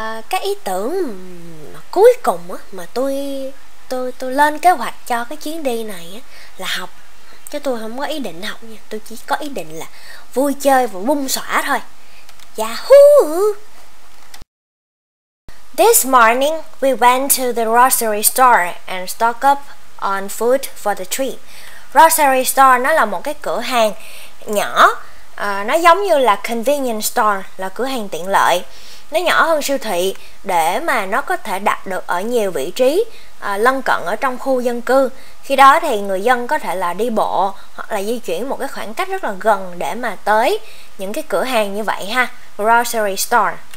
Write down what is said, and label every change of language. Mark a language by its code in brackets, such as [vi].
[vi] Cái ý tưởng cuối cùng á, mà tôi lên kế hoạch cho cái chuyến đi này á, là học, chứ tôi không có ý định học nha. Tôi chỉ có ý định là vui chơi và bung xõa thôi. Yahoo. [en] This morning, we went to the grocery store and stock up on food for the trip. [vi] Grocery store nó là một cái cửa hàng nhỏ, nó giống như là convenience store, là cửa hàng tiện lợi. Nó nhỏ hơn siêu thị để mà nó có thể đặt được ở nhiều vị trí lân cận ở trong khu dân cư. Khi đó thì người dân có thể là đi bộ hoặc là di chuyển một cái khoảng cách rất là gần để mà tới những cái cửa hàng như vậy ha, grocery store.